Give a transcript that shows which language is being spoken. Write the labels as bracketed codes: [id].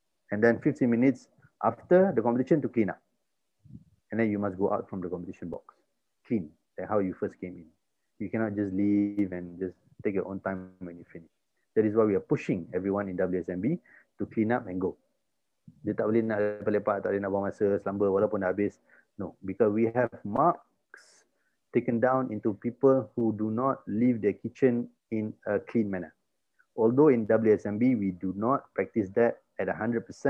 [en] And then 15 minutes after the competition to clean up. And then you must go out from the competition box, clean, like how you first came in. You cannot just leave and just take your own time when you finish. That is why we are pushing everyone in WSMB to clean up and go. [ms] Dia tak boleh nak lepak-lepak, tak boleh nak buang masa, selamba walaupun dah habis. [en] No, because we have marks taken down into people who do not leave their kitchen in a clean manner. Although in WSMB, we do not practice that at 100%.